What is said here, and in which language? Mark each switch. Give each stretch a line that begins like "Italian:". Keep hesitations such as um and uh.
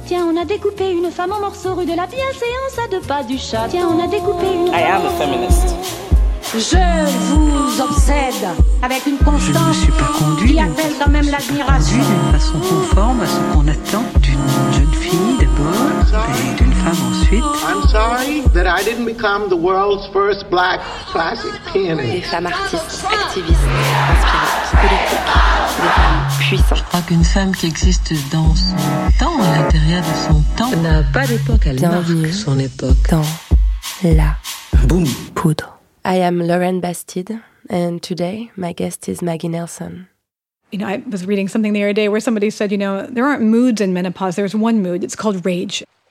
French: Tiens, on a découpé une femme en morceaux rue de la bienséance à deux pas du chat. Tiens, on a découpé une
English: I am a feminist.
French: Je vous obsède avec une constance Je ne me suis pas conduite qui appelle quand même l'admiration. d'une façon conforme à ce qu'on attend d'une jeune fille d'abord et d'une femme ensuite.
English: I'm sorry that I didn't become the world's first black classic pianist.
French: Des femmes artistes, activistes, inspirantes, politiques, des femmes puissantes. crois qu'une femme qui existe dans son temps, à l'intérieur de son temps, n'a pas d'époque, elle Bienvenue. marque son époque. Dans la Boom. poudre.
English: I am Lauren Bastide, and today my guest is Maggie Nelson. You know, I was reading something the other day where somebody said, you know, there aren't moods in menopause. There's one mood. It's called rage.